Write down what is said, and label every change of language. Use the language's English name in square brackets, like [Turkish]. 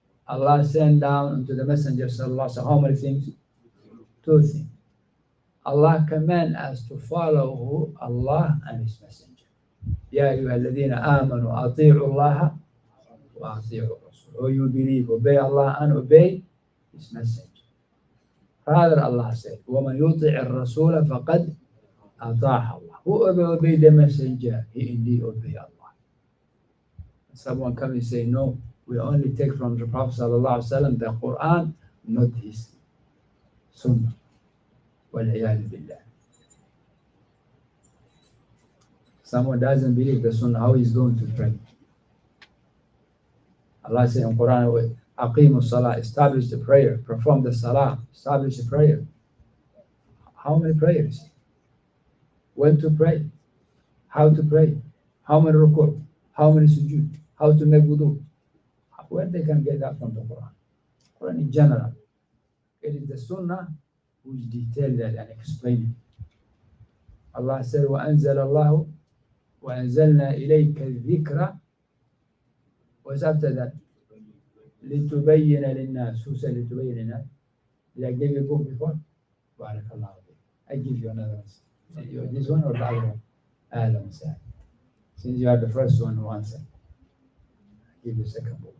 [English] Allah sent down unto the Messenger sallallahu alaihi wasallam how many things? Two things. Allah command us to follow who? Allah and His Messenger. [Arabic] يا أيها الذين آمنوا أطيعوا الله وأطيعوا [English] Oh, you believe, obey Allah and obey His Messenger. Father Allah said, [Arabic] وَمَنْ يُطِعِ الرَّسُولَ فَقَدْ أَطَاعَ اللَّهُ. [English] Who obey the Messenger, he indeed obey Allah. Someone come and say, no, we only take from the Prophet sallallahu alaihi wasallam the Quran, not his Sunnah. [Arabic] وَالْعِيَادِ بِاللَّهِ. [English] Someone doesn't believe the Sunnah, how he's going to pray. Allah says in Quran, [Arabic] "Aqimu salah, [English] establish the prayer, perform the salah, establish the prayer." How many prayers? When to pray? How to pray? How many rukuk? How many sujood? How to make wudu? Where they can get that from the Quran? Quran in general, it is the Sunnah which detailed that and explained it. [Arabic] Allah said, "وَأَنزَلْنَا إِلَيْكَ الذِّكْرَ." [English] What's after that? [Arabic] لتبين للناس. [English] Who said لتبين للناس? Did I give you a book before? Barakallahu alayhi. I give you another one. You, this one or the other one? Alam sa'ad. Since you are the first one who answered, I give you a second book.